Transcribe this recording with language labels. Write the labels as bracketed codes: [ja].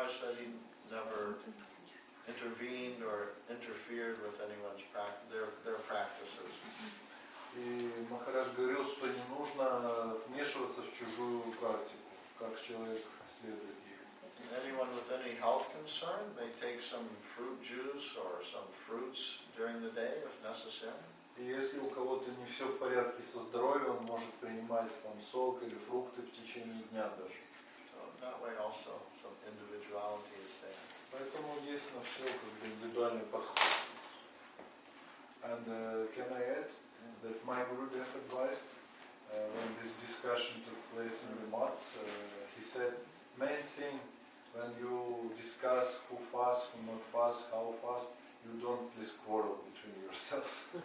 [en] Intervened or interfered with anyone's their practices. [ru] И Махарадж говорил, что не нужно вмешиваться в чужую практику, как человек следует их. [en] Anyone with any health concern may take some fruit juice or some fruits during the day if necessary. [ru] И если у кого-то не все в порядке со здоровьем, он может принимать там сок или фрукты в течение дня даже. [en] So that way also some individuality is there. [ru] Поэтому есть на все как бы индивидуальный подход. [en] And can I add that my Gurudev advised when this discussion took place in the Maths, he said main thing when you discuss who fast, who not fast, how fast, you don't please quarrel between yourselves.